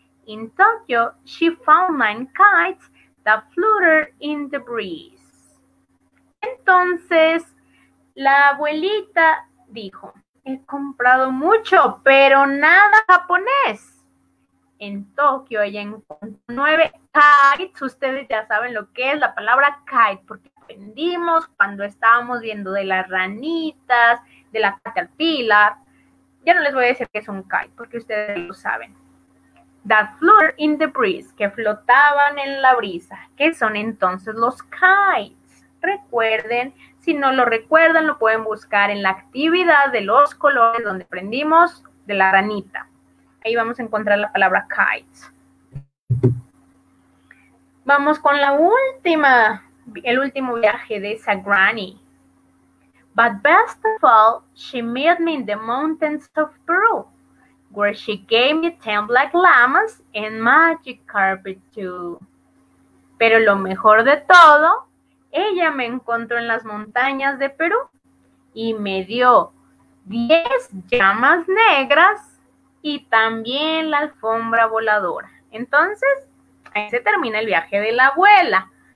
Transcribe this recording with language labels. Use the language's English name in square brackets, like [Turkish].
[English] In Tokyo, she found 9 kites that fluttered in the breeze. [Spanish] Entonces, la abuelita dijo, he comprado mucho, pero nada japonés. En Tokio, ella encontró 9 kites. Ustedes ya saben lo que es la palabra kite, porque aprendimos cuando estábamos viendo de las ranitas, de la caterpillar. Ya no les voy a decir que es un kite, porque ustedes lo saben. [English] That flutter in the breeze, [Spanish] que flotaban en la brisa. ¿Qué son entonces los kites? Recuerden, si no lo recuerdan, lo pueden buscar en la actividad de los colores donde aprendimos de la ranita. Ahí vamos a encontrar la palabra kites. Vamos con la última. El último viaje de esa granny. [English] But best of all, she met me in the mountains of Peru, where she gave me 10 black llamas and magic carpet too. [Spanish] Pero lo mejor de todo, ella me encontró en las montañas de Perú y me dio 10 llamas negras y también la alfombra voladora. Entonces, ahí se termina el viaje de la abuela.